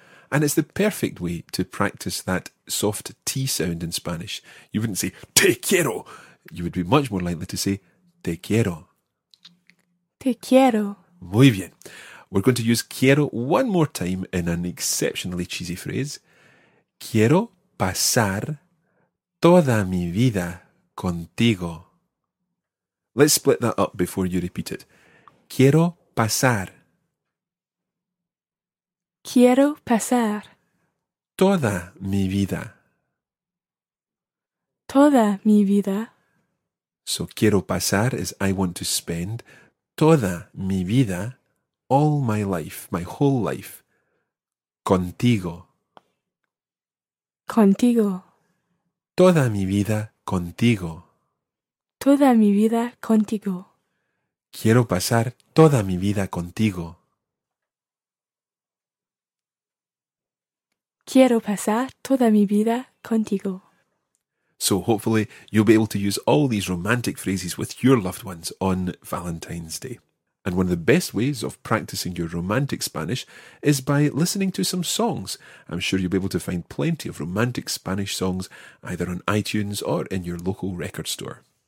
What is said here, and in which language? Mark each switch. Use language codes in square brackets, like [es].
[en] And it's the perfect way to practice that soft T sound in Spanish. You wouldn't say, [es] te quiero. [en] You would be much more likely to say, te quiero. [es] Te quiero. Muy bien. [en] We're going to use quiero one more time in an exceptionally cheesy phrase. [es] Quiero pasar toda mi vida contigo. [en] Let's split that up before you repeat it. [es] Quiero pasar. Quiero pasar toda mi vida. Toda mi vida. [en] So [es] quiero pasar [en] is I want to spend [es] toda mi vida, [en] all my life, my whole life, [es] contigo. Contigo. Toda mi vida contigo. Toda mi vida contigo. Quiero pasar toda mi vida contigo. Quiero pasar toda mi vida contigo. [en] So hopefully you'll be able to use all these romantic phrases with your loved ones on Valentine's Day. And one of the best ways of practicing your romantic Spanish is by listening to some songs. I'm sure you'll be able to find plenty of romantic Spanish songs either on iTunes or in your local record store.